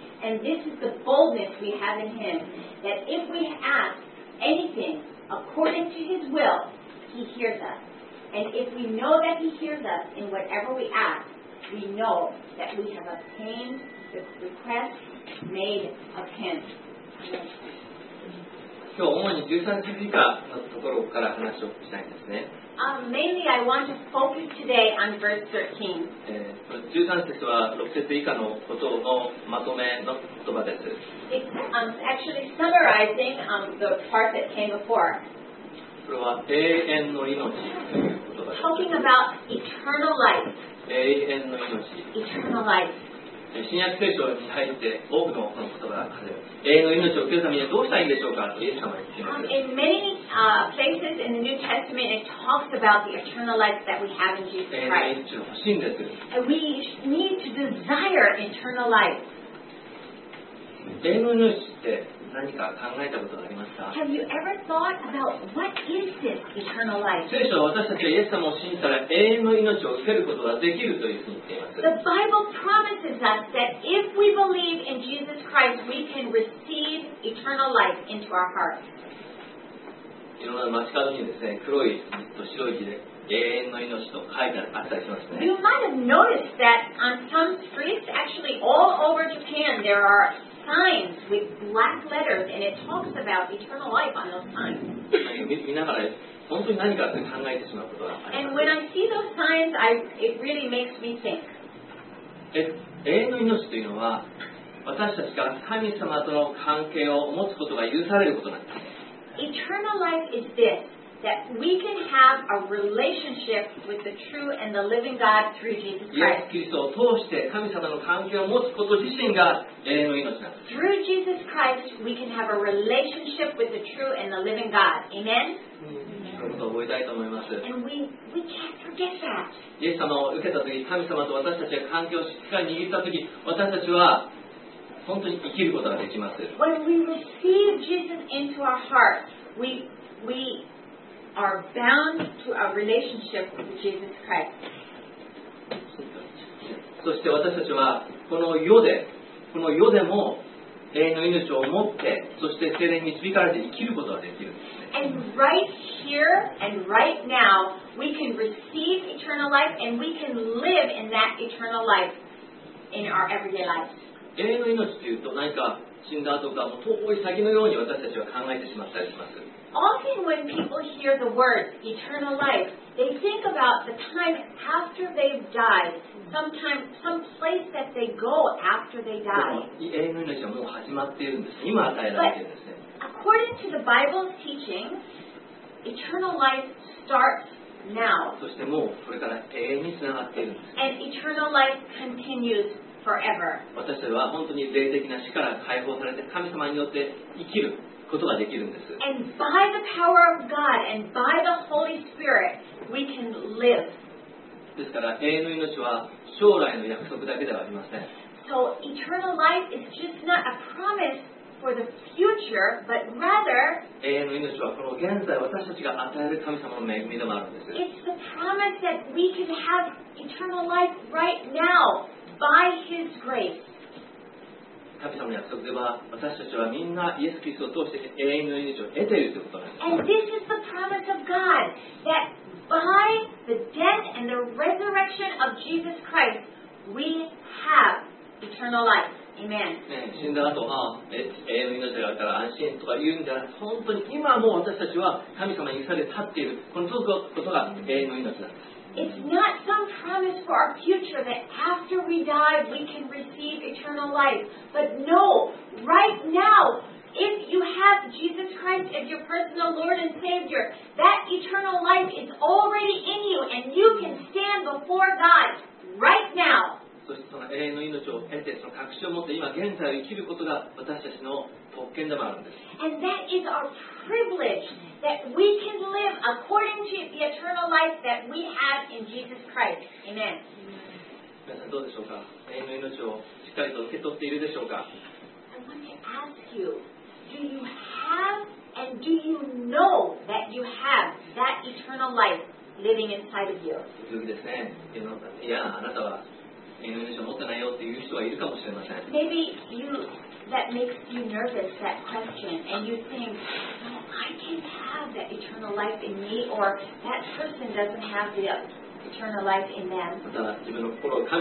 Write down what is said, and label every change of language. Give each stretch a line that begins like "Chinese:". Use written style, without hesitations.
English: And this is the boldness we have in him, that if we ask anything according to his will, he hears us. And if we know that he hears us in whatever we ask, we know that we have obtained the request made of him.
Japanese: 今日主に13時以下のところから話をしたいんですね。
English: Mainly, I want to focus today on verse 13.
Japanese: 13節は6節以下のことのまとめの言葉です。
English: It's actually summarizing the part that came before.
Japanese: これは永遠の命という言葉です。
English: Talking about eternal life.
Japanese: 永遠の命。
English: Eternal life.
Japanese: 新約聖書に入って多くのその言葉がある。永遠の命を受けるためにどうしたらいいんでしょうかとイエス様は言っています。
English: In many places in the New Testament it talks about the eternal life that we have in Jesus Christ.
Japanese: 永遠の命を欲しいんです。
English: And we need to desire eternal life.
Japanese: 永遠の命って何か考えたことがありますか。
English: Have you ever thought about what is this eternal life?
Japanese: 聖書は私たちがイエス様を信じたら永遠の命を受けることができるというふうに言っています。
English: The Bible promises us that if we believe in Jesus Christ, we can receive eternal life into our hearts.
Japanese: いろんな街角にですね、黒いと白い字で永遠の命と書いてあったりしますね。
English: You might have noticed that on some streets, actually all over Japan, there areSigns with black letters, and it talks about eternal life on those signs.
Japanese: 見ながら本当に何かって考えてしまうことがあります。
English: And when I see those signs, it really makes me think.
Japanese: 永遠の命というのは私たちが神様との関係を持つことが許されることなんです。
English: Eternal life is this, that we can have a relationship with the true and the living God through Jesus Christ.
Japanese: イエス・キリストを通して神様の関係を持つこと自身が永遠の命なんです。
English: Through Jesus Christ, we can have a relationship with the true and the living God. Amen?
Japanese: そういうことを覚えたいと思います。
English: And we can't forget that.
Japanese: イエス様を受けたとき、神様と私たちが関係をしっかり握ったとき、私たちは本当に生きることができます。
English: When we receive Jesus into our heart, we are bound to a relationship with Jesus Christ.
Japanese: そして私たちはこの世でも永遠の命を持って、そして聖霊に導かれて生きることができる。
English: And right here and right now, we can receive eternal life and we can live in that eternal life in our everyday lives.
Japanese: 永遠の命というと何か死んだ後か遠い先のように私たちは考えてしまったりします。
English: Often when people hear the word eternal life, they think about the time after they've died, sometimes some place that they go after they die.
Japanese: 永遠の命はもう始まっているんです。今与えられているんですね。
English: According to the Bible's teaching, eternal life starts now.
Japanese: そしてもうこれから永遠につながっているんです。
English: And eternal life continues forever.
Japanese: 私たちは本当に霊的な死から解放されて神様によって生きる。
English: And by the power of God and by the Holy Spirit, we can live.
Japanese: ですから永遠の命は将来の約束だけではありません。
English: So eternal life is just not a promise for the future, but rather
Japanese: 永遠の命はこの現在私たちが与える神様の恵みでもあるんです。
English: It's the promise that we can have eternal life right now by His grace.
Japanese: 神様の約束では私たちはみんなイエス・キリストを通して永遠の命を得ているということなんです。
English: And this is the promise of God that by the death and the resurrection of Jesus Christ we have eternal life. Amen.、
Japanese: ね、死んだ後は永遠の命があるから安心とか言うんじゃなくて本当に今も私たちは神様に許されて立っているこのことが永遠の命なんです。
English: It's not some promise for our future that after we die we can receive eternal life. But no, right now, if you have Jesus Christ as your personal Lord and Savior, that eternal life is already in you and you can stand before God right now.
Japanese: そしてその永遠の命を得てその確信を持って今現在を生きることが私たちの特権でもあるんです。
English: And that is our privilege. That we can live according to the eternal life that we have in Jesus Christ. Amen.
Japanese: 皆さんどうでしょうか。永遠の命をしっかりと受け取っているでしょうか。
English: I want to ask you, do you have and do you know that you have that eternal life living inside of you?
Japanese: 普通ですね。いや、あなたは永遠の命を持ってないよっていう人はいるかもしれません。
English: Maybe you, that makes you nervous, that question, and you think,I can't have that eternal life in me, or that person doesn't have the eternal life in them.